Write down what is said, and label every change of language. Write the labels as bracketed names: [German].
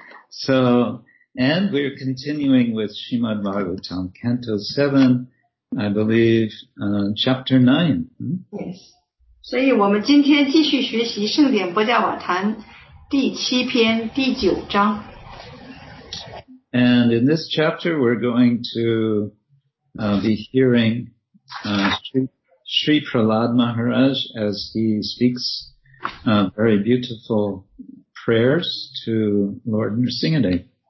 [English] So, and we're continuing with Srimad Bhagavatam, Canto 7, I believe, Chapter 9. Yes. [Chinese] 所以我们今天继续学习圣典波迦瓦坛第七篇第九章。 [English] And in this chapter, we're going to be hearing Sri Prahlad Maharaj as he speaks very beautiful prayers to Lord Nrsingadev.